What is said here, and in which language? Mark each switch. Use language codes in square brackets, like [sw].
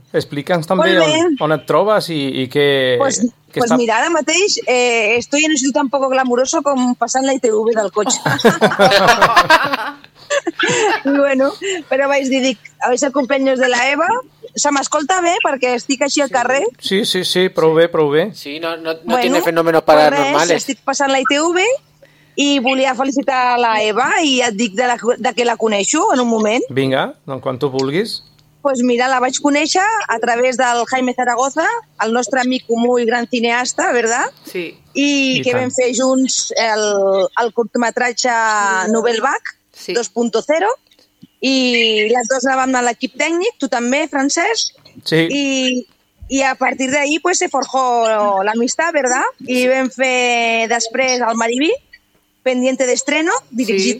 [ca] Explica'ns també on et trobes i què... [es] Pues mira, [ca] ara mateix [es] estoy en un sitio tan poco glamuroso [ca] com passant la ITV del cotxe. Bueno, però vaig dir, [es] vais a cumpleaños [ca] de la Eva. Se m'escolta bé perquè estic així al carrer? Sí, prou bé. [es] Sí, no bueno, tiene fenómenos paranormales. [ca] Pues estic passant la ITV i volia felicitar la Eva i et dic de que la coneixo en un moment. Vinga, doncs quan tu vulguis. Pues mira, la vaig conèixer a través del Jaime Zaragoza, el nostre amic comú i gran cineasta, ¿verdad? Sí. I que tant. Vam fer junts el curtmetratge Nouvelle Vague, sí. 2.0, i les dues la vam anar a l'equip tècnic, tu també, Francesc, sí. [es] I a partir d'ahí pues, se forjó l'amistat, ¿verdad? [ca] I vam fer després el Mariví, Pendiente d'estreno, dirigit sí.